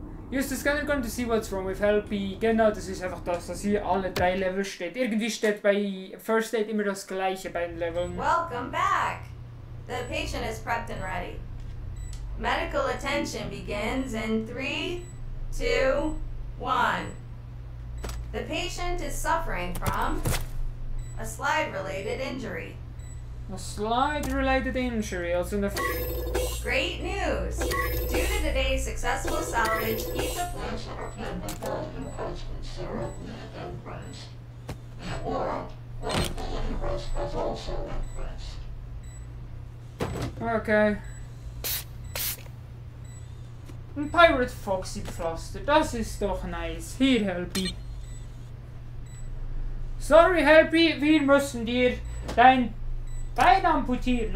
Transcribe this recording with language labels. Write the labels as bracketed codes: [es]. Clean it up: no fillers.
[en] Use the scanner gun to see what's wrong with Helpy. [de] Genau, das ist einfach das, dass hier alle 3 Level steht. Irgendwie steht bei First Aid immer das gleiche bei den Leveln. [en] Welcome back! The patient is prepped and ready. Medical attention begins in 3, 2, 1. The patient is suffering from a slide-related injury. A slide-related injury, also in the... Great news! Due to today's successful salvage, each of us can be filled in place with therapy and rest. The aura of the universe has also increased. Okay. [de] Ein Pirate Foxy Pflaster, das ist doch nice. Hier, Helpy. Sorry, Helpy, wir müssen dir dein Bein amputieren.